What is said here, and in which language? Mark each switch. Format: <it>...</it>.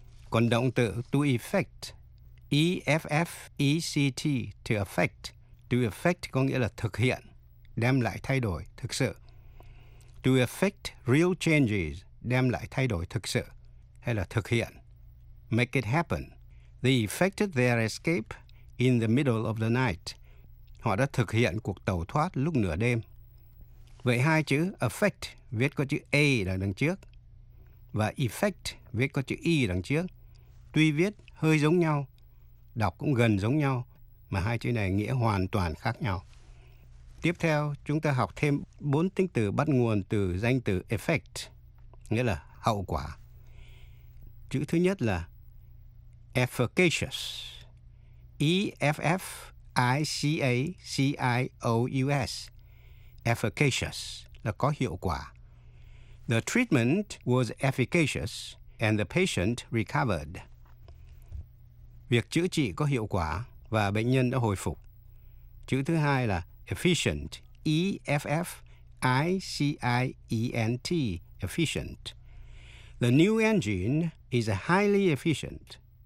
<vi>Còn động từ to effect, E-F-F-E-C-T, to effect. To effect có nghĩa là thực hiện, đem lại thay đổi thực sự.</vi> <en>To effect real changes,</en> <vi>đem lại thay đổi thực sự, hay là thực hiện.</vi> <en>Make it happen. They effected their escape in the middle of the night.</en> <vi>Họ đã thực hiện cuộc tẩu thoát lúc nửa đêm. Vậy hai chữ effect viết có chữ A đằng trước và effect viết có chữ E đằng trước. Tuy viết hơi giống nhau, đọc cũng gần giống nhau, mà hai chữ này nghĩa hoàn toàn khác nhau. Tiếp theo, chúng ta học thêm bốn tính từ bắt nguồn từ danh từ effect, nghĩa là hậu quả. Chữ thứ nhất là efficacious, E-F-F-I-C-A-C-I-O-U-S, efficacious, là có hiệu quả.</vi> <en>The treatment was efficacious and the patient recovered.</en> <vi>Việc chữa trị có hiệu quả và bệnh nhân đã hồi phục. Chữ thứ hai là efficient, E-F-F-I-C-I-E-N-T, efficient.</vi> <en>The new engine is highly efficient.</en>